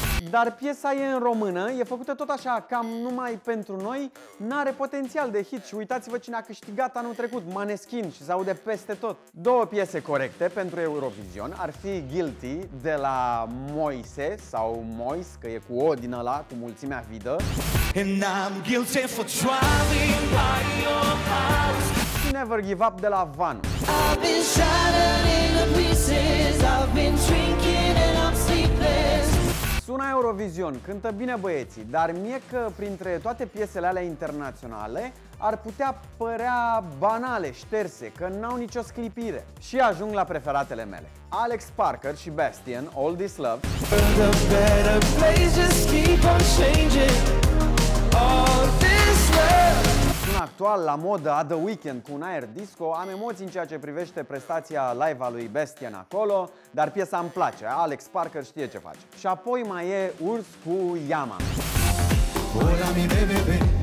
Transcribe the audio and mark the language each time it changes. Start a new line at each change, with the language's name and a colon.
Romanian: Dar piesa e în română, e făcută tot așa, cam numai pentru noi, n-are potențial de hit și uitați-vă cine a câștigat anul trecut, Maneskin, și se aude peste tot. Două piese corecte pentru Eurovision ar fi Guilty de la Moise sau Mois, că e cu O din ăla, cu mulțimea vidă.
English: And I'm guilty for driving by your house. Never Give Up de la Van. I've been shattered into pieces, I've been drinking and I'm sleepless.
Romanian: Sună Eurovision, cântă bine băieții, dar mie că printre toate piesele alea internaționale ar putea părea banale, șterse, că n-au nicio sclipire. Și ajung la preferatele mele. Alex Parker și Bastien, All This Love.
English: The better place, just keep on changing. All this love.
Romanian: Sună actual, la modă, a The Weeknd cu un aer disco. Am emoții în ceea ce privește prestația live a lui Bastien acolo, dar piesa îmi place, Alex Parker știe ce face. Și apoi mai e Urs cu Yama.
Spanish: Hola, mi bebe, be.